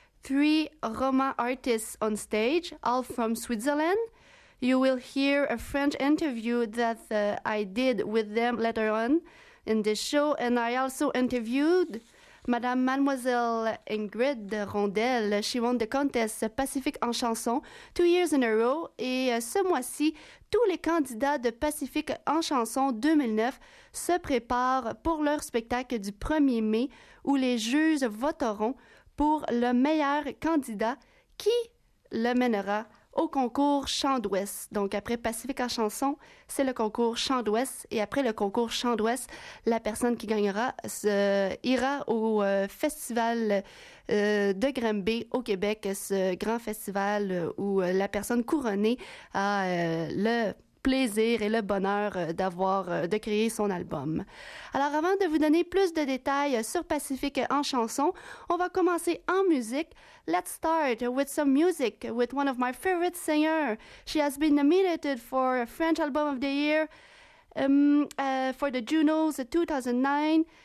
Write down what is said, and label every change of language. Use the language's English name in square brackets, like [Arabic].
[English] Three Roman artists on stage, all from Switzerland. You will hear a French interview that I did with them later on in this show, and I also interviewed Mademoiselle Ingrid Rondel. She won the contest Pacifique en chanson 2 years in a row, [French] et ce mois-ci, tous les candidats de Pacifique en chanson 2009 se préparent pour leur spectacle du 1er mai, où les juges voteront pour le meilleur candidat qui le mènera au concours Chant d'Ouest. Donc, après Pacifique en chanson, c'est le concours Chant d'Ouest. Et après le concours Chant d'Ouest, la personne qui gagnera ira au festival de Granby au Québec, ce grand festival où la personne couronnée a le plaisir et le bonheur de créer son album. Alors, avant de vous donner plus de détails sur Pacific en chanson, on va commencer en musique. [English] Let's start with some music with one of my favorite singers. She has been nominated for a French Album of the Year for the Junos 2009.